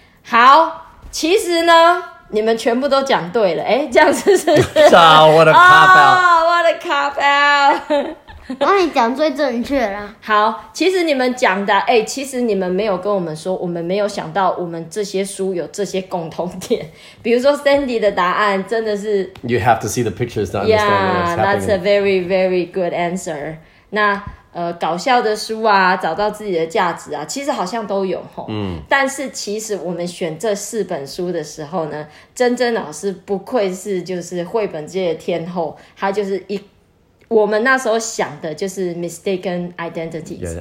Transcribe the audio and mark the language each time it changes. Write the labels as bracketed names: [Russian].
[Chinese] 好，其实呢你们全部都讲对了，哎，这样子是 [English] 啊、，what a cop out！What a cop out！ [Chinese] 我跟你讲最正确啦。好，其实你们讲的，哎，其实你们没有跟我们说，我们没有想到我们这些书有这些共同点。比如说 Sandy 的答案真的是 [English] ，You have to see the pictures to understand what's happening. Yeah, that's a very, very good answer. [Chinese] 那搞笑的书啊，找到自己的价值啊，其实好像都有齁。但是其实我们选这四本书的时候呢，珍珍老师不愧是就是绘本界的天后，她就是我们那时候想的就是 [English] mistaken identities。